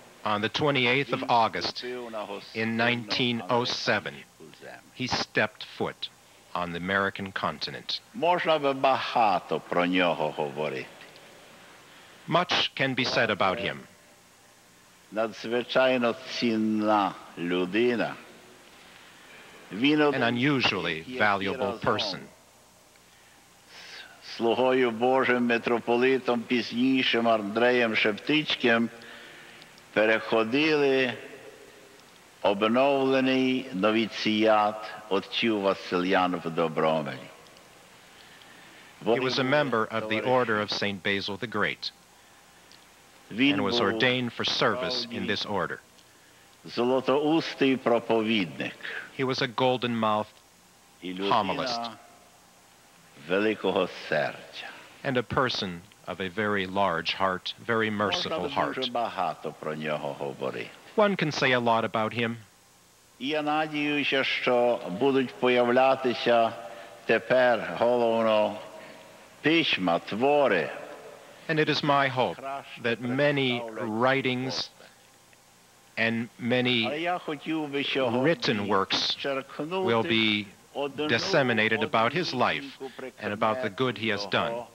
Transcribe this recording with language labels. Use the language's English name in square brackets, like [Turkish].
[English] On the 28th of August in 1907, he stepped foot on the American continent. [Ukrainian] Можна би багато про нього говорити. [English] Much can be said about him. [Ukrainian] Надзвичайно цінна людина. Він [English] an unusually valuable person. [Ukrainian] Слугою Божим митрополитом пізнішим Андреєм Шептичким переходили обновлений новіціат отців Василян в Добромелі. [English] He was a member of the Order of St. Basil the Great and was ordained for service in this order. [Ukrainian] Золотоустий проповідник. [English] He was a golden-mouthed homilist [Ukrainian] великого серця. [English] And a person of a very large heart, very merciful heart. [Ukrainian] Можна багато про нього говорити. [English] One can say a lot about him. [Ukrainian] Я надіюся, що будуть появлятися тепер головно письма, твори. [English] And it is my hope that many writings and many written works will be disseminated about his life and about the good he has done.